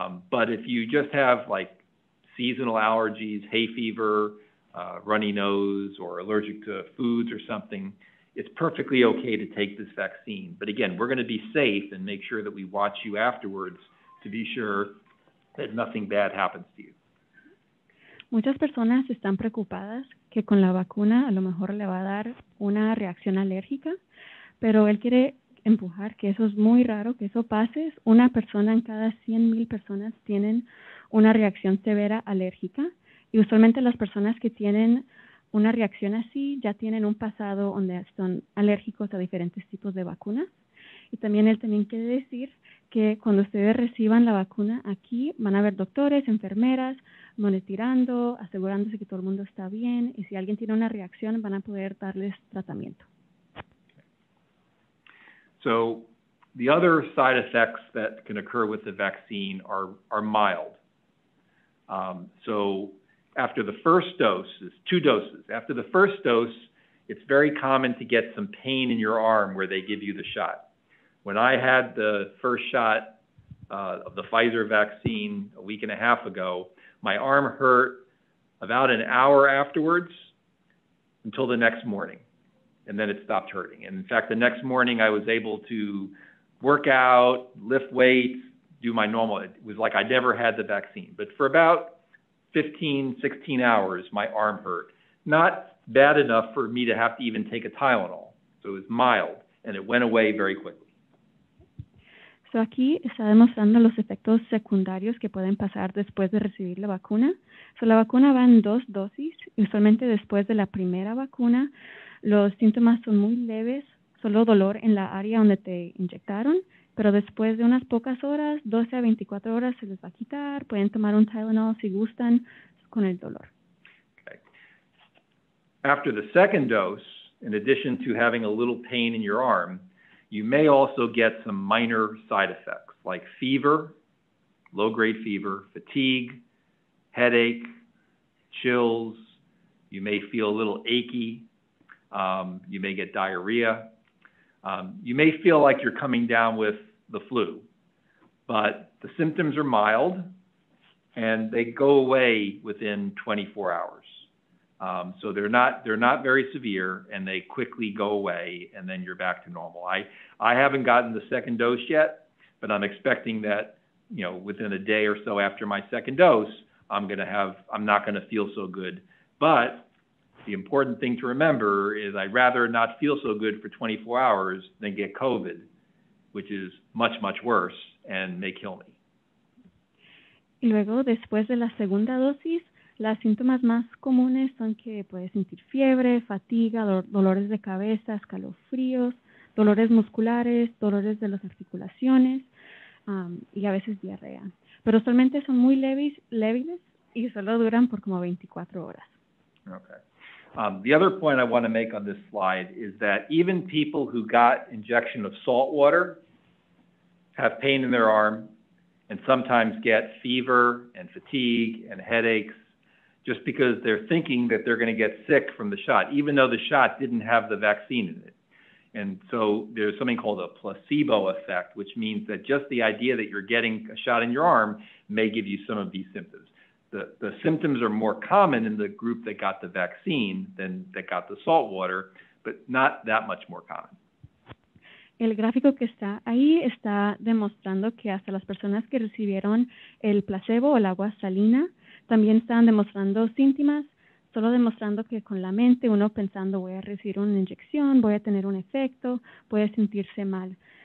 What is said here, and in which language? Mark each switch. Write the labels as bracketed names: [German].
[English] But if you just have like seasonal allergies, hay fever, runny nose, or allergic to foods or something, it's perfectly okay to take this vaccine. But again, we're going to be safe and make sure that we watch you afterwards to be sure that nothing bad happens to you. [Spanish] Muchas personas están preocupadas que con la vacuna a lo mejor le va a dar una reacción alérgica, pero él quiere empujar que eso es muy raro, que eso pase. Una persona en cada 100,000 personas tienen una reacción severa alérgica, y usualmente las personas que tienen una reacción así ya tienen un pasado donde son alérgicos a diferentes tipos de vacunas. Y también él también quiere decir que cuando ustedes reciban la vacuna aquí van a haber doctores, enfermeras, monitoreando, asegurándose que todo el mundo está bien, y si alguien tiene una reacción van a poder darles tratamiento. [English] So the other side effects that can occur with the vaccine are mild. So after the first dose, it's two doses. After the first dose, it's very common to get some pain in your arm where they give you the shot. When I had the first shot of the Pfizer vaccine a week and a half ago, my arm hurt about an hour afterwards until the next morning. And then it stopped hurting. And in fact, the next morning I was able to work out, lift weights, do my normal. It was like I never had the vaccine. But for about 15, 16 hours, my arm hurt. Not bad enough for me to have to even take a Tylenol. So it was mild and it went away very quickly. [Spanish] So aquí está demostrando los efectos secundarios que pueden pasar después de recibir la vacuna. So la vacuna va en dos dosis, y usualmente después de la primera vacuna, los síntomas son muy leves, solo dolor en la área donde te inyectaron, pero después de unas pocas horas, 12 a 24 horas, se les va a quitar. Pueden tomar un Tylenol si gustan con el dolor. [English] Okay. After the second dose, in addition to having a little pain in your arm, you may also get some minor side effects like fever, low-grade fever, fatigue, headache, chills. You may feel a little achy. You may get diarrhea. You may feel like you're coming down with the flu, but the symptoms are mild and they go away within 24 hours. So they're not very severe and they quickly go away and then you're back to normal. I haven't gotten the second dose yet, but I'm expecting that, you know, within a day or so after my second dose, I'm not going to feel so good. But the important thing to remember is I'd rather not feel so good for 24 hours than get COVID, which is much, much worse and may kill me. [Spanish] Y luego, después de la segunda dosis, los síntomas más comunes son que puedes sentir fiebre, fatiga, dolores de cabeza, escalofríos, dolores musculares, dolores de las articulaciones, y a veces diarrea. Pero solamente son muy leves y solo duran por como 24 horas. [English] Okay. The other point I want to make on this slide is that even people who got injection of salt water have pain in their arm and sometimes get fever and fatigue and headaches just because they're thinking that they're going to get sick from the shot, even though the shot didn't have the vaccine in it. And so there's something called a placebo effect, which means that just the idea that you're getting a shot in your arm may give you some of these symptoms. The symptoms are more common in the group that got the vaccine than that got the salt water, but not that much more common. [Spanish] El gráfico que está ahí está demostrando que hasta las personas que recibieron el placebo o el agua salina también están demostrando síntomas, solo demostrando que con la mente uno pensando voy a recibir una inyección, voy a tener un efecto, puede sentirse mal.